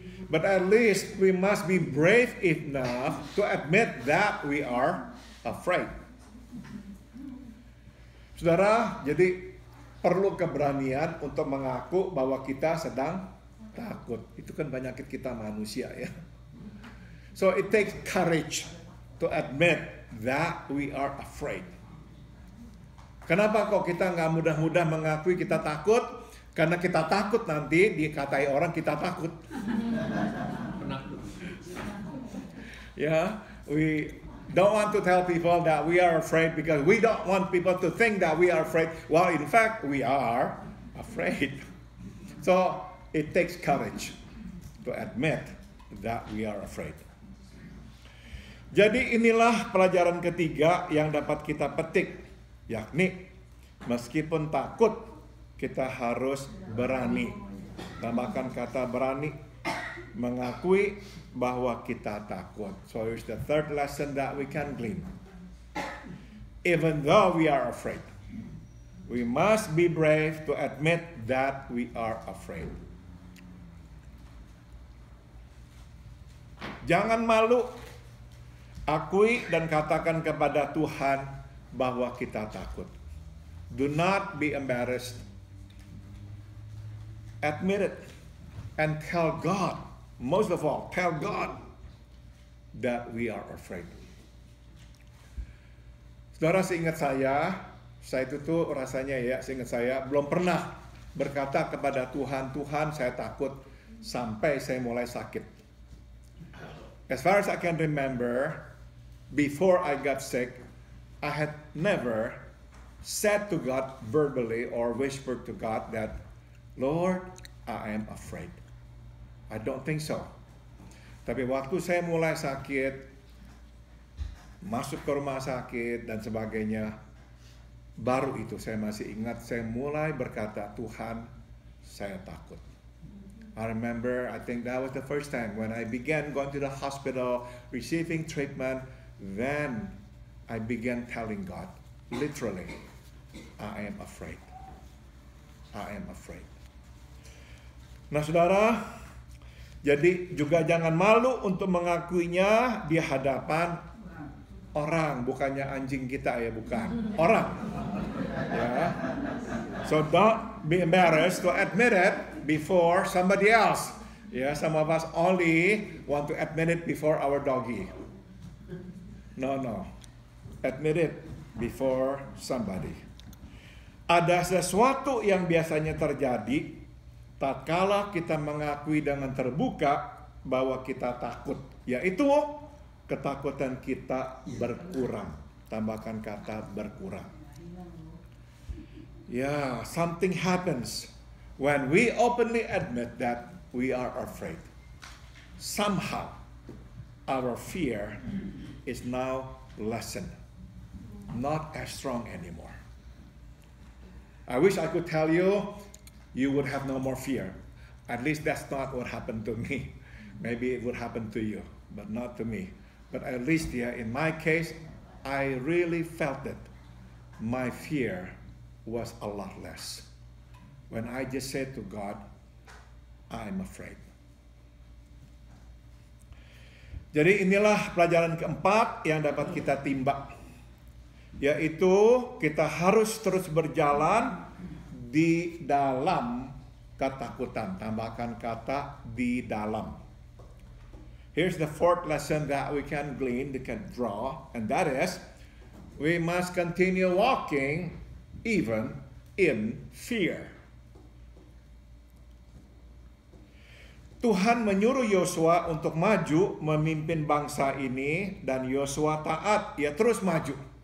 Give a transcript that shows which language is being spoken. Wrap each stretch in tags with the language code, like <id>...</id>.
<en>But at least we must be brave enough to admit that we are afraid.</en> <id>Saudara, jadi perlu keberanian untuk mengaku bahwa kita sedang takut. Itu kan penyakit kita manusia, ya.</id> <en>So it takes courage to admit that we are afraid.</en> <id>Kenapa kok kita gak mudah-mudah mengakui kita takut? Karena kita takut nanti dikatai orang kita takut.</id> <en>Ya, yeah, we don't want to tell people that we are afraid because we don't want people to think that we are afraid. Well, in fact, we are afraid. So, it takes courage to admit that we are afraid.</en> <id>Jadi inilah pelajaran ketiga yang dapat kita petik. Yakni, meskipun takut, kita harus berani. Tambahkan kata berani, mengakui bahwa kita takut.</id> <en>So here's the third lesson that we can glean. Even though we are afraid, we must be brave to admit that we are afraid.</en> <id>Jangan malu, akui dan katakan kepada Tuhan bahwa kita takut.</id> <en>Do not be embarrassed. Admit it and tell God, most of all, tell God that we are afraid.</en> <id>Saudara, seingat saya itu tuh rasanya, ya, seingat saya belum pernah berkata kepada Tuhan, Tuhan saya takut sampai saya mulai sakit.</id> <en>As far as I can remember, before I got sick, I had never said to God verbally or whispered to God that, Lord, I am afraid. I don't think so.</en> <id>Tapi waktu saya mulai sakit, masuk ke rumah sakit dan sebagainya, baru itu saya masih ingat, saya mulai berkata, Tuhan, saya takut.</id> <en>I remember, I think that was the first time when I began going to the hospital, receiving treatment, then I began telling God, literally, I am afraid. I am afraid.</en> <id>Nah, saudara, jadi juga jangan malu untuk mengakuinya di hadapan orang, bukannya anjing kita, ya, bukan. Orang. Yeah.</id> <en>So don't be embarrassed to admit it before somebody else. Yeah, some of us only want to admit it before our doggy. No, no. Admit it before somebody.</en> <id>Ada sesuatu yang biasanya terjadi tatkala kita mengakui dengan terbuka bahwa kita takut, yaitu ketakutan kita berkurang. tambahkan kata berkurang.</id> <en>Yeah, something happens when we openly admit that we are afraid. Somehow, our fear is now lessened, not as strong anymore. I wish I could tell you, you would have no more fear. At least that's not what happened to me. Maybe it would happen to you, but not to me. But at least, yeah, in my case, I really felt it. My fear was a lot less. When I just said to God, I'm afraid.</en> <id>Jadi inilah pelajaran keempat yang dapat kita timbak. Yaitu kita harus terus berjalan di dalam ketakutan. Tambahkan kata di dalam.</id> <en>Here's the fourth lesson that we can glean, we can draw, and that is, we must continue walking even in fear.</en> <id>Tuhan menyuruh Yosua untuk maju memimpin bangsa ini, dan Yosua taat, ia terus maju.</id>